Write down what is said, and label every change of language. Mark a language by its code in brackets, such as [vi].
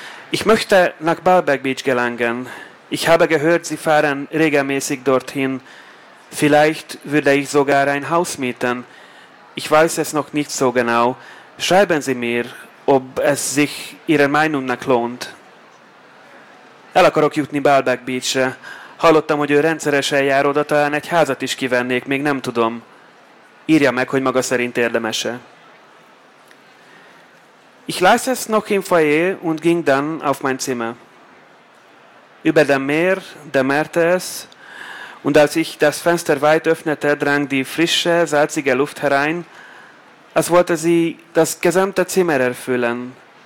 [de] Ich möchte nach Baalbek Beach gelangen. Ich habe gehört, Sie fahren regelmäßig dorthin. Vielleicht würde ich sogar ein Haus mieten. Ich weiß es noch nicht so genau. Schreiben Sie mir, ob es sich Ihrer Meinung nach lohnt. [hu] El akarok jutni Baalbek Beach-re. Hallottam, hogy ő rendszeresen jár oda, talán egy házat is kivennék, még nem tudom. Írja meg, hogy maga szerint érdemese. [de] Ich las es noch im Foyer und ging dann auf mein Zimmer. Über dem Meer dämmerte es, und als ich das Fenster weit öffnete, drang die frische, salzige Luft herein, als wollte sie das gesamte Zimmer erfüllen.